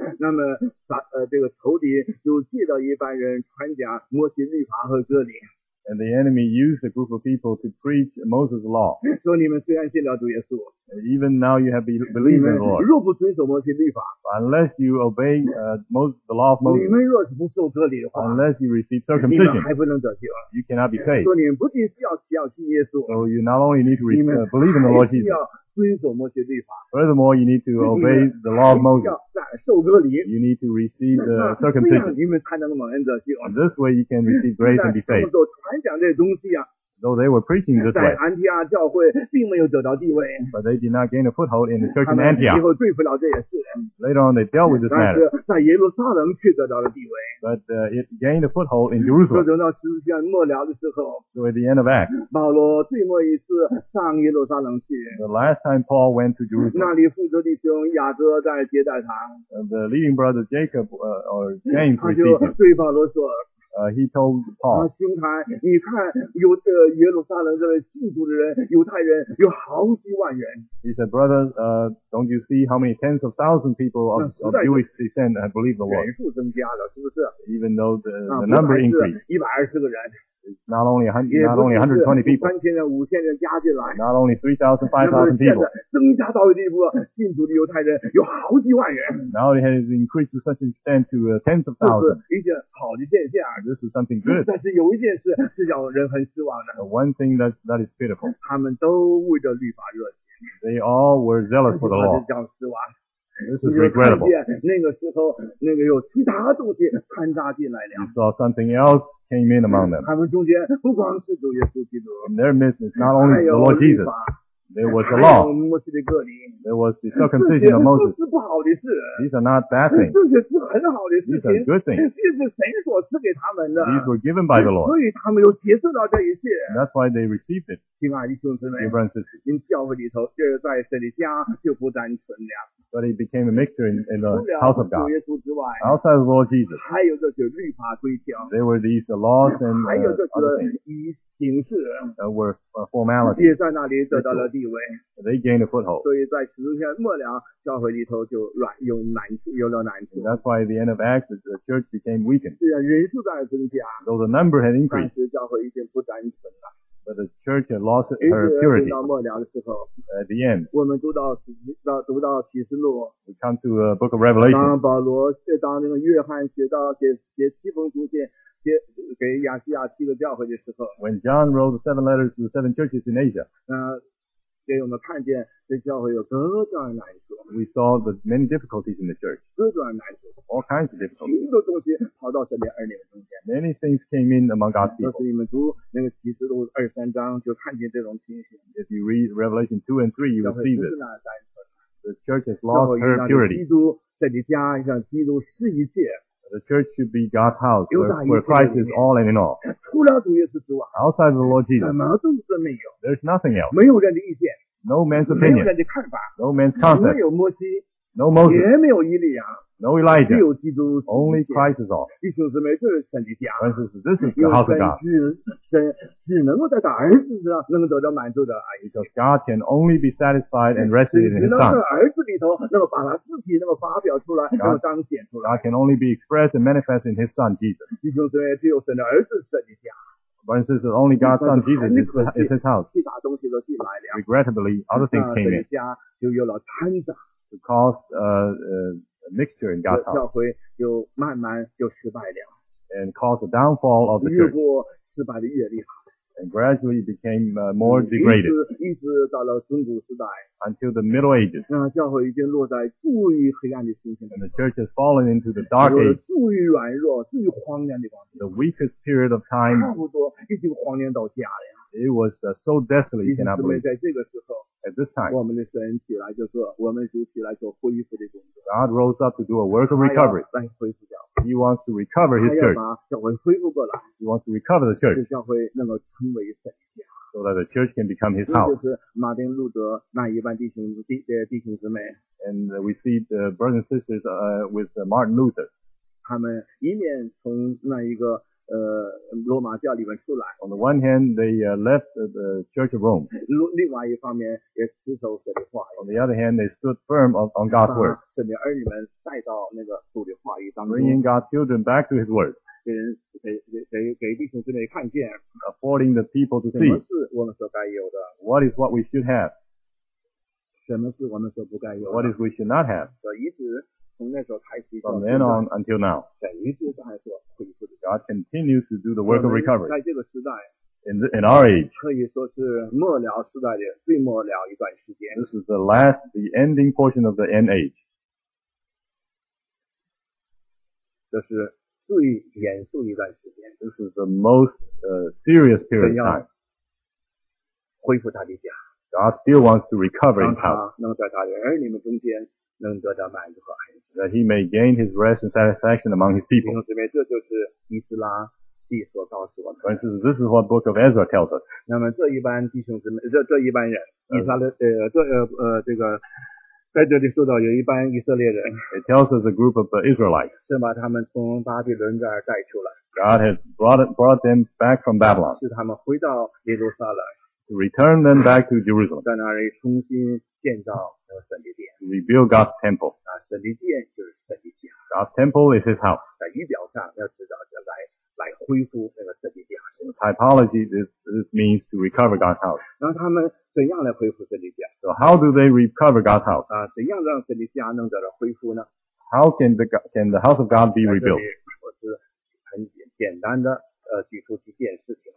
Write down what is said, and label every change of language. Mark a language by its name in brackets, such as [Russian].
[Chinese] 那么这个仇敌就借着一般人传讲摩西律法和歌礼。 [English] And the enemy used a group of people to preach Moses' law. [Chinese] 说你们虽然信了主耶稣。 [English] Even now you have believed in the Lord. [Chinese] 若不遵守摩西律法。 [English] Unless you obey the law of Moses. [Chinese] 你们若是不受割礼的话。 [English] Unless you receive circumcision. [Chinese] 你们还不能得救。 [English] You cannot be saved. [Chinese] 说你们不仅是要信耶稣。 [English] So you not only need to believe in the Lord Jesus. [Chinese] 遵守摩西律法。 [English] Furthermore, you need to obey the law of Moses. [Chinese] 要受割礼。 [English] You need to receive the circumcision. [Chinese] 你们才能蒙恩得救。 [English] This way you can receive grace and be saved. [Chinese] 传讲这些东西啊。 [English] though they were preaching this way. [Chinese] 在安提阿教会并没有得到地位。 [English] But they did not gain a foothold in the church in Antioch. [Chinese] 以后对付了这件事。 [English] Later on, they dealt with this matter. [Chinese] 但是在耶路撒冷却得到了地位。 [English] But it gained a foothold in Jerusalem. [Chinese] 说到十字架末了的时候。 [English] So at the end of Acts. [Chinese] 保罗最末一次上耶路撒冷去。 [English] The last time Paul went to Jerusalem. [Chinese] 那里负责弟兄雅各在接待他。 [English] The leading brother Jacob or James received him. [Chinese] 他就对保罗说。 [English] He told Paul, [Chinese] 他兄台，你看有这耶路撒冷这个信主的人，犹太人有好几万人。 [English] He said, brother, don't you see how many tens of thousands of people of Jewish descent have believed the Lord? [Chinese] 人数增加了，是不是 [English] ？Even though the number increased, [Chinese] 一百二十个人。 [English] Not only 120 people. [Chinese] 三千人、五千人加进来。 [English] Not only 3,000, 5,000 people. [Chinese] 增加到一步，信主的犹太人有好几万人。 [English] Now it has increased to such an extent to tens of thousands. [Chinese] 这是一件好的现象。 [English] This is something good. [Chinese] 但是有一件事是叫人很失望的。 [English] One thing that is pitiful. [Chinese] 他们都为着律法热心。 [English] They all were zealous for the law. [Chinese] 这叫失望。 [English] This is regrettable. [Chinese] 那个时候，那个有其他东西掺杂进来了。 [English] You saw something else. Came in among them. [Chinese] 他们中间不光是主耶稣基督。 [English] In their midst is not only the Lord Jesus. There was the law. [Chinese] 还有摩西的割礼。 [English] There was the circumcision of Moses. [Chinese] 这些不是不好的事。 [English] These are not bad things. [Chinese] 这些是很好的事情。 [English] These are good things. [Chinese] 这是神所赐给他们的。 [English] These were given by the Lord. [Chinese] 所以他们又接受到这一切。 [English] That's why they received it. [Chinese] 亲爱的弟兄姊妹。 [English] Dear brothers and sisters. [Chinese] 因教会里头，就是在神的家就不单纯了。 [English] But he became a mixture in the house of God. [Chinese] 除了主耶稣之外, [English] outside of the Lord Jesus, [Chinese] 还有这些律法规条, [English] there were these laws and things. There were formalities. [Chinese] 也在那里得到了地位, [English] they gained a foothold. [Chinese] 所以在十字架末了, 教会里头就软, 有难处, 有了难处。 [English] That's why at the end of Acts, the church became weakened. [Chinese] 虽然人数在增加, [English] though the number had increased, [Chinese] 但是教会已经不单纯了。 [English] But the church had lost her purity. At the end, [Chinese] 我们读到启示录, [English] we come to the book of Revelation. [Chinese] 当保罗写当那个约翰写到写七封书信写给亚细亚七个教会的时候, [English] when John wrote the seven letters to the seven churches in Asia, [Chinese] 给我们看见这教会有各种难处. [English] We saw the many difficulties in the church. [Chinese] 各种难处, [English] all kinds of difficulties. [Chinese] 许多东西跑到神的儿女中间. [English] Many things came in among God's people. [Chinese] 那是你们读那个启示录二三章就看见这种情形. [English] If you read Revelation 2 and 3, you will see this. [Chinese] 教会不是那样单纯. [English] The church has lost her purity. [Chinese] 教会要像基督神的家，像基督是一切。 [English] The church should be God's house, where Christ is all and in all. [Chinese] 除了主耶稣之外, [English] outside of the Lord Jesus, [Chinese] 什么都是没有, [English] there's nothing else. [Chinese] 没有人的意见, [English] no man's opinion, [Chinese] 没有人的看法, [English] no man's concept, [Chinese] 没有摩西, [English] no Moses, [Chinese] 也没有以利亚, [English] no Elijah, [Chinese] 只有基督, [English] only Christ is all. [Chinese] 弟兄姊妹, 这是神的家, [English] this is the house of God. [Chinese] 神只能够在他儿子身上能够得到满足的, [English] because God can only be satisfied and rested in his son. [Chinese] 那么把他自己那么发表出来，那么彰显出来。 [English] God can only be expressed and manifest in His Son Jesus. [Chinese] 弟兄姊妹，只有神的儿子是你家。 [English] But this is only God's Son Jesus is His house. [Chinese] 其他东西都进来了。 [English] Regrettably, other things came in. [Chinese] 神的家就有了掺杂。 [English] It caused a mixture in God's house. [Chinese] 教会就慢慢就失败了。 [English] And caused the downfall of the church. [Chinese] 越过失败的越厉害。 [English] And gradually became more degraded. [Chinese] 一直到了中古时代。 [English] Until the Middle Ages. [Chinese] 那教会已经落在最黑暗的情形。 [English] And the church has fallen into the dark age. [Chinese] 最软弱、最荒凉的光景。 [English] The weakest period of time. [Chinese] 差不多已经荒凉到家了。 [English] It was so desolate, you cannot believe. [Chinese] 在这个时候。 [English] At this time. [Chinese] 我们的神起来就做，我们主起来做恢复的工作。 [English] God rose up to do a work of recovery. [Chinese] 他要来恢复教会。 [English] He wants to recover his church. [Chinese] 他要把教会恢复过来。 [English] He wants to recover the church. [Chinese] 使教会能够成为神家。 [English] So that the church can become his house. [Chinese] 这就是马丁路德那一班弟兄姊妹。 [English] And we see the brothers and sisters with Martin Luther. [Chinese] 他们一面从那一个罗马教里面出来。 [English] On the one hand, they left the Church of Rome. [Chinese] 另外一方面也持守神的话语。 [English] On the other hand, they stood firm on God's word. [Chinese] 把神的儿女们带到那个主的话语当中。 [English] Bringing God's children back to His word. [Chinese] 给弟兄姊妹看见。 [English] Affording the people to see. [Chinese] 什么是我们所该有的。 [English] What is what we should have? [Chinese] 什么是我们所不该有的。 [English] What is we should not have? [Chinese] 所以一直从那时候开始。 [English] From then on until now. [Chinese] 在一直在说。 [English] God continues to do the work of recovery. [Chinese] 在这个时代, [English] in our age, [Chinese] 可以说是末了时代的最末了一段时间。 [English] This is the ending portion of the end age. [Chinese] 这是最严肃一段时间。 [English] This is the most serious period of time. [Chinese] 神要恢复他的家。 [English] God still wants to recover his house. [Chinese] 让他能在他的儿女们中间能得到满足和安息。 [English] That he may gain his rest and satisfaction among his people. [Chinese] 弟兄姊妹，这就是以斯拉记所告诉我们。 [English] For instance, this is what Book of Ezra tells us. [Chinese] 那么这一班弟兄姊妹，这一班人，以斯拉的这个。在这里说到有一班以色列人 [English] It tells us a group of Israelites [Chinese] 是把他们从巴比伦这儿带出来 [English] God has brought them back from Babylon [Chinese] 是他们回到耶路撒冷 [English] To return them back to Jerusalem [Chinese] 在那里重新建造那个神的殿 [English] Rebuild God's temple [Chinese] 那神的殿就是神的家 [English] God's temple is his house [Chinese] 在仪表上要知道要来恢复那个神的家 [English] The typology this means to recover God's house [Chinese] 让他们怎样来恢复神的家 [English] So how do they recover God's house? [Chinese] 啊，怎样让神的家能得到恢复呢 [English] How can the house of God be rebuilt? [Chinese] 我是很简单的举出几件事情